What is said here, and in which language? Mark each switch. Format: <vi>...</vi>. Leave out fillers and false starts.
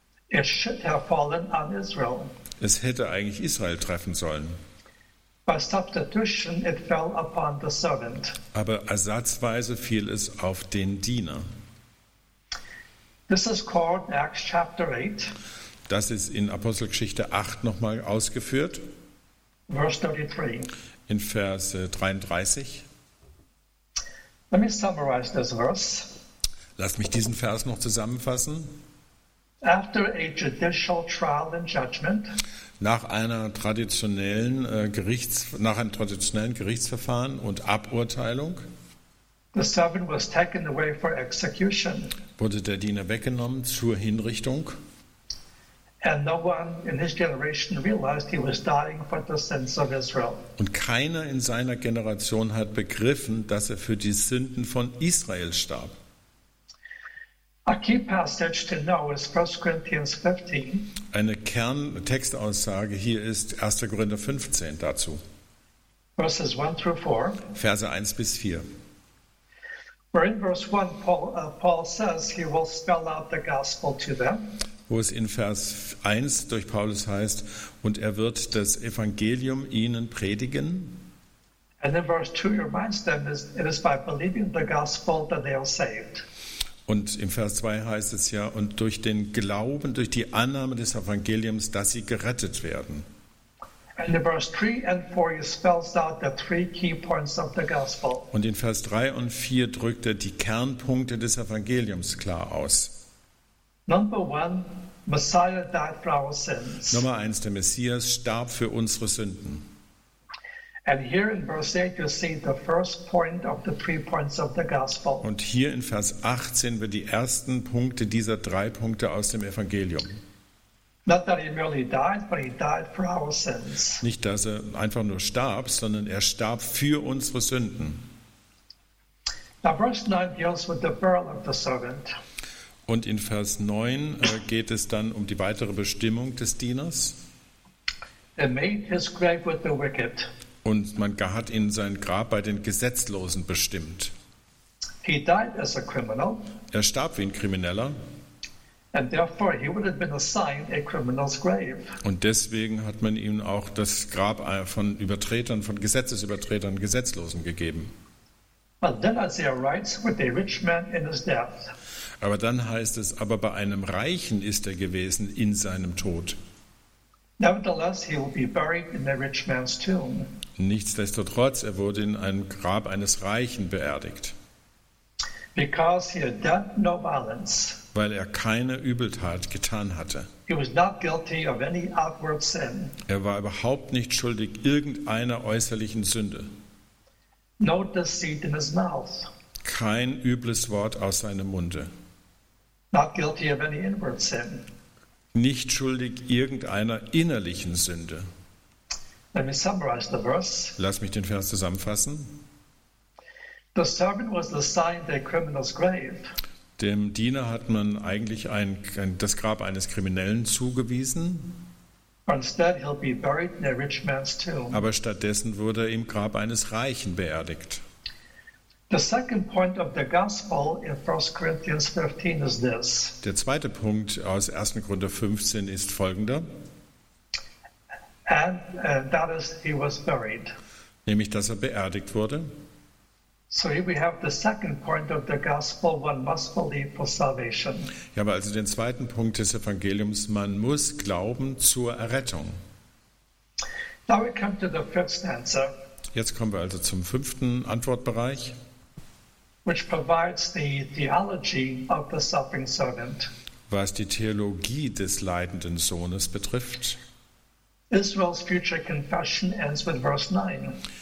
<en>It should have fallen on Israel.</en> <de>Es hätte eigentlich Israel treffen sollen.</de> <en>By substitution, it fell upon the servant.</en> <de>Aber ersatzweise fiel es auf den Diener.</de> <en>This is called Acts chapter 8.</en> <de>Das ist in Apostelgeschichte 8 nochmal ausgeführt.</de> <en>Verse 33.</en> <de>In Vers 33.</de> <en>Let me summarize this verse.</en> <de>Lass mich diesen Vers noch zusammenfassen.</de> <en>After a judicial trial and judgment.</en> <de>Nach einem traditionellen Gerichtsverfahren und Aburteilung</de> <en>the servant was taken away for execution.</en> <de>Wurde der Diener weggenommen zur Hinrichtung.</de> <en>And no one in his generation realized he was dying for the sins of Israel.</en> <de>Und keiner in seiner Generation hat begriffen, dass er für die Sünden von Israel starb.</de> <en>A key passage to know is 1 Corinthians 15.</en> <de>Eine Kerntextaussage hier ist 1. Korinther 15 dazu.</de> <en>Verses 1 through 4.</en> <de>Verse 1 bis 4.</de> <en>Where in verse 1 Paul says he will spell out the gospel to them.</en> <de>Wo es in Vers 1 durch Paulus heißt, und wird das Evangelium ihnen predigen.</de> <en>And in verse 2 he reminds them it is by believing the gospel that they are saved.</en> <de>Und im Vers 2 heißt es ja, und durch den Glauben, durch die Annahme des Evangeliums, dass sie gerettet werden.</de> <en>And in verse 3 and 4 he spells out the three key points of the gospel.</en> <de>Und in Vers 3 und 4 drückt er die Kernpunkte des Evangeliums klar aus.</de> <en>Number 1, Messiah died for our sins.</en> <de>Nummer 1, der Messias starb für unsere Sünden.</de> <en>And here in verse 8 you see the first point of the three points of the gospel.</en> <de>Und hier in Vers 8 sehen wir die ersten Punkte dieser drei Punkte aus dem Evangelium.</de> <en>Not that he merely died, but he died for our sins.</en> <de>Nicht dass er einfach nur starb, sondern er starb für unsere Sünden.</de> <en>Now verse 9 deals with the burial of the servant.</en> <de>Und in Vers 9 geht es dann um die weitere Bestimmung des Dieners.</de> <en>They made his grave with the wicked.</en> <de>Und man hat ihn sein Grab bei den Gesetzlosen bestimmt.</de> <en>He died as a criminal.</en> <de>Er starb wie ein Krimineller.</de> <en>And therefore he would have been assigned a criminal's grave.</en> <de>Und deswegen hat man ihm auch das Grab von Übertretern, von Gesetzesübertretern, Gesetzlosen gegeben.</de> <en>But then Isaiah writes, with a rich man in his death.</en> <de>Aber dann heißt es, aber bei einem Reichen ist er gewesen in seinem Tod.</de> <en>Nevertheless, he will be buried in a rich man's tomb.</en> <de>Nichtsdestotrotz, er wurde in einem Grab eines Reichen beerdigt.</de> <en>Because he had done no violence.</en> <de>Weil er keine Übeltat getan hatte.</de> <en>He was not guilty of any outward sin.</en> <de>Er war überhaupt nicht schuldig irgendeiner äußerlichen Sünde.</de> <en>No deceit in his mouth.</en> <de>Kein übles Wort aus seinem Munde.</de> <en>Not guilty of any inward sin.</en> <de>Nicht schuldig irgendeiner innerlichen Sünde.</de> <en>Let me summarize the verse.</en> <de>Lass mich den Vers zusammenfassen.</de> <en>The servant was assigned a criminal's grave.</en> <de>Dem Diener hat man eigentlich das Grab eines Kriminellen zugewiesen.</de> <en>Instead he'll be buried in a rich man's tomb.</en> <de>Aber stattdessen wurde er im Grab eines Reichen beerdigt.</de> <en>The second point of the gospel in 1 Corinthians 15 is this.</en> <de>Der zweite Punkt aus 1. Korinther 15 ist folgender.</de> <en>And that is he was buried.</en> <de>Nämlich, dass er beerdigt wurde.</de> <en>So here we have the second point of the gospel, one must believe for salvation.</en> <de>Ja, aber also den zweiten Punkt des Evangeliums, man muss glauben zur Errettung.</de> <en>Now we come to the fifth answer.</en> <de>Jetzt kommen wir also zum fünften Antwortbereich.</de> <en>Which provides the theology of the suffering servant.</en> <de>Was die Theologie des leidenden Sohnes betrifft.</de> <en>Israel's future confession ends with verse 9.</en>